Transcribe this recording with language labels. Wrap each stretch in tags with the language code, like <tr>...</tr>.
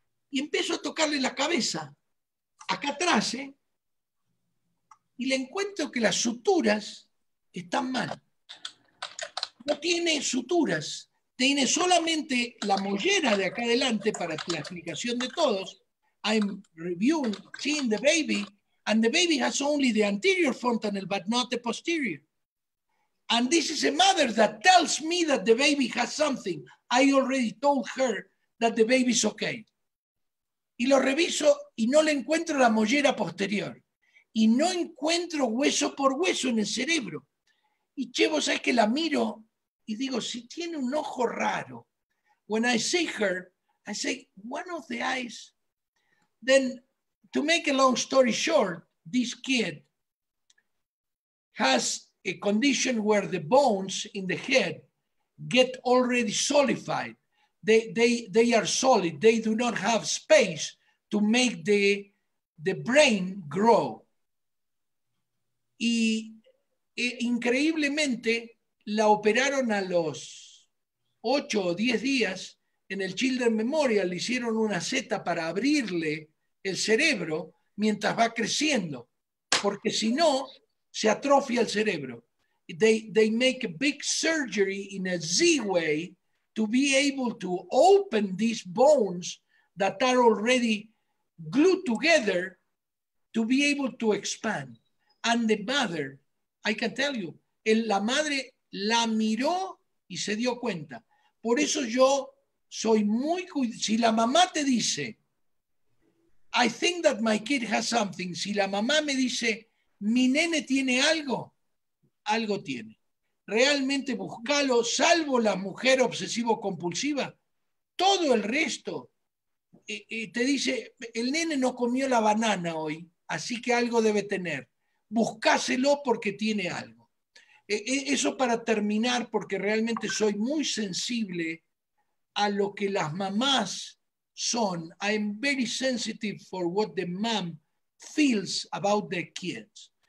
<es>Y empiezo a tocarle la cabeza. Acá atrás, ¿eh? Y le encuentro que las suturas están mal. No tiene suturas. Tiene solamente la mollera de acá adelante para la explicación de todos.</es> <en>I'm reviewing, seeing the baby, and the baby has only the anterior frontal, but not the posterior. And this is a mother that tells me that the baby has something. I already told her that the baby's okay.</en> <es>Y lo reviso y no le encuentro la mollera posterior. Y no encuentro hueso por hueso en el cerebro. Y che, vos sabés que la miro y digo, si tiene un ojo raro.</es> <en>When I see her, I say, one of the eyes. Then, to make a long story short, this kid has a condition where the bones in the head get already solidified. They are solid. They do not have space to make the brain grow.</en> <es>Y increíblemente, la operaron a los 8 o 10 días en el Children's Memorial, le hicieron una seta para abrirle el cerebro mientras va creciendo, porque si no, se atrofia el cerebro.</es> <en>They make a big surgery in a Z way to be able to open these bones that are already glued together to be able to expand. And the mother, I can tell you,</en> <es>la madre la miró y se dio cuenta. Por eso yo soy muy cuidado. Si la mamá te dice,</es> <en>I think that my kid has something.</en> <es>Si la mamá me dice, mi nene tiene algo, algo tiene. Realmente búscalo, salvo la mujer obsesivo compulsiva. Todo el resto te dice, el nene no comió la banana hoy, así que algo debe tener. Buscáselo porque tiene algo. Eso para terminar, porque realmente soy muy sensible a lo que las mamás son.</es> <en>I am very sensitive for what the mom feels about the kids.</en>